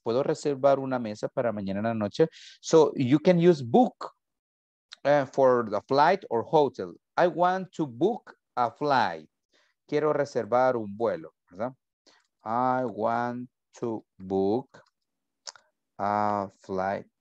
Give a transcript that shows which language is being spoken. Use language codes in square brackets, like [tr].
[es] ¿Puedo reservar una mesa para mañana en la noche? [en] So you can use book for the flight or hotel. I want to book a flight. [es] Quiero reservar un vuelo, ¿verdad? [en] I want to book a flight.